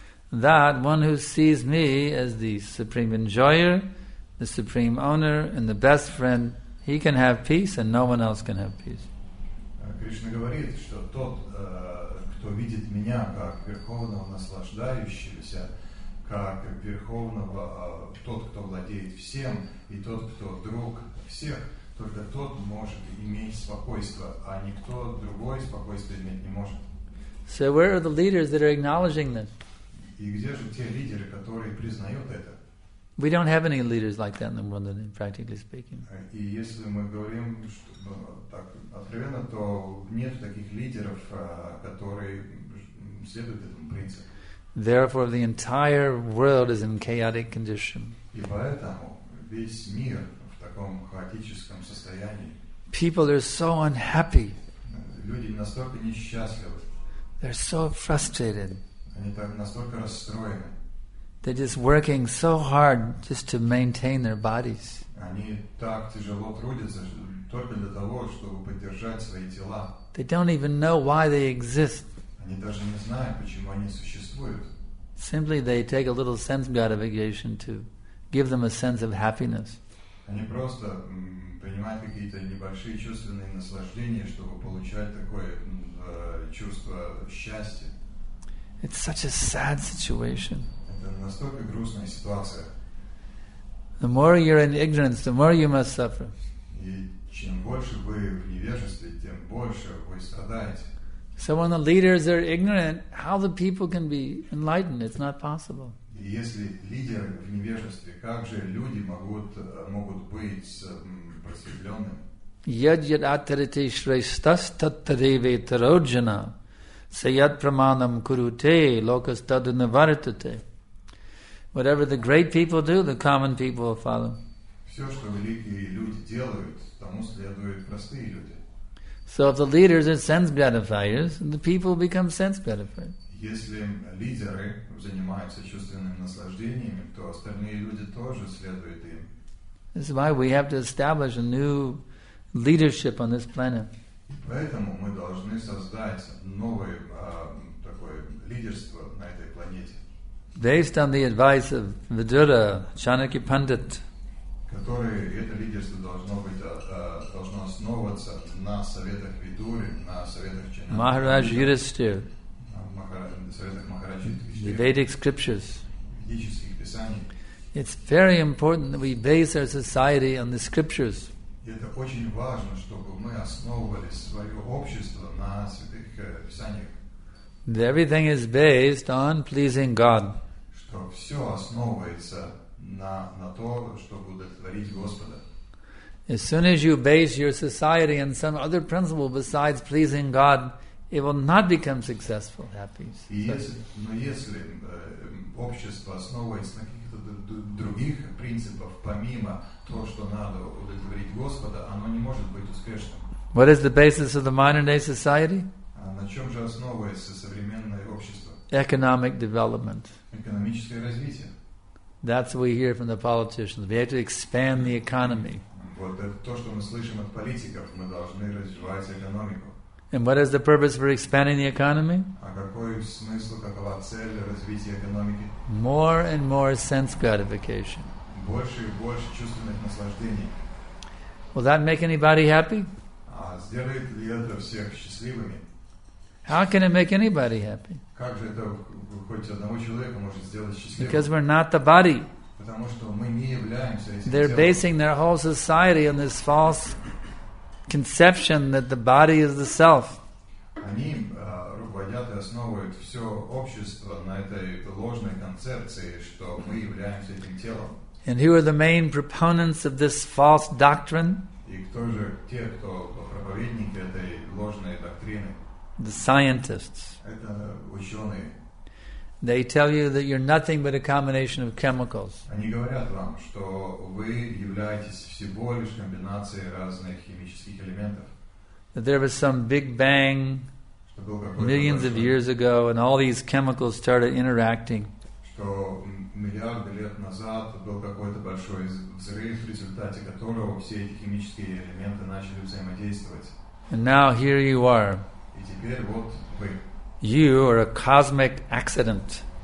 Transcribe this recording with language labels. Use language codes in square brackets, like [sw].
[en] That one who sees me as the supreme enjoyer, the supreme owner, and the best friend, he can have peace and no one else can have peace. [ru] Krishna говорит, что тот, кто видит меня как верховного наслаждающегося, как верховного, тот, кто владеет всем, и тот, кто друг всех, только тот может иметь спокойствие, а никто другой спокойствие иметь не может. [en] So where are the leaders that are acknowledging this? [ru] И где же те лидеры, которые признают это? [en] We don't have any leaders like that in the world, practically speaking. [ru] И если мы говорим что, так откровенно, то нет таких лидеров, которые следуют этому принципу. [en] Therefore, the entire world is in chaotic condition. [ru] И поэтому весь мир в таком хаотическом состоянии. [en] People are so unhappy. [ru] Люди настолько несчастливы. [en] They're so frustrated. [ru] Они так настолько расстроены. [en] They're just working so hard just to maintain their bodies. [ru] Они так тяжело трудятся только для того, чтобы поддержать свои тела. [en] They don't even know why they exist. [ru] Они даже не знают, почему они существуют. [en] Simply they take a little sense gratification to give them a sense of happiness. [ru] Они просто принимают какие-то небольшие чувственные наслаждения, чтобы получать такое чувство счастья. [en] It's such a sad situation. [ru] Это настолько грустная ситуация. [en] The more you're in ignorance, the more you must suffer. [ru] И чем больше вы в невежестве, тем больше вы страдаете. [en] So when the leaders are ignorant, how the people can be enlightened? It's not possible. [ru] Если лидеры в невежестве, как же люди могут быть просветленными? [sa] Яд яд атарите шрейстас таттареве тароджана саят праманам куруте локас таднаваритате. [en] Whatever the great people do, the common people will follow. [ru] Все, что великие люди делают, тому следуют простые люди. [en] So if the leaders are sense gratifiers, the people become sense gratified. [ru] Если лидеры занимаются чувственными наслаждениями, то остальные люди тоже следуют им. [en] This is why we have to establish a new leadership on this planet. [ru] Поэтому мы должны создать новое такое лидерство на этой планете. [en] Based on the advice of Vidura, Chanakya Pandit. [ru] Которое это лидерство должно быть должно основываться на советах Видури, на советах Чинана. Махарадж Юдистир. Советах [en] Vedic scriptures. [ru] Ведических писаний. [en] It's very important that we base our society on the scriptures. [ru] это очень важно, чтобы мы основывали свое общество на святых писаниях. [en] Everything is based on pleasing God. [ru] Что все основывается на то, чтобы удовлетворить Господа. [en] As soon as you base your society on some other principle besides pleasing God, it will not become successful, happy. [ru] Но если общество основывается на каких-то других принципах, помимо того, что надо удовлетворить Господа, оно не может быть успешным. [en] What is the basis of the modern day society? [ru] На чем же основывается современное общество? [en] Economic development. [ru] Экономическое развитие. [en] That's what we hear from the politicians. We have to expand the economy. [ru] Вот это то, что мы слышим от политиков. Мы должны развивать экономику. [en] And what is the purpose for expanding the economy? [ru] А какой смысл, какова цель развития экономики? [en] More and more sense gratification. [ru] Больше и больше чувственных наслаждений. [en] Will that make anybody happy? [ru] А сделает ли это всех счастливыми? [en] How can it make anybody happy? [ru] Как же это хоть одного человека может сделать счастливым? [en] Because we're not the body. [ru] Потому что мы не являемся этим. [en] They're basing their whole society on this false conception that the body is the self. [ru] Они руководят и основывают все общество на этой ложной концепции, что мы являемся этим телом. [en] And who are the main proponents of this false doctrine? [ru] И кто же те, кто проповедники этой ложной доктрины? [en] The scientists. [ru] Это ученые. [en] They tell you that you're nothing but a combination of chemicals. [ru] Они говорят вам, что вы являетесь всего лишь комбинацией разных химических элементов. [en] That there was some big bang millions of years ago, and all these chemicals started interacting. [ru] Что миллиарды лет назад был какой-то большой взрыв, в результате которого все эти химические элементы начали взаимодействовать. [en] And now here you are. [ru] И теперь вот вы. [en] You are a cosmic accident.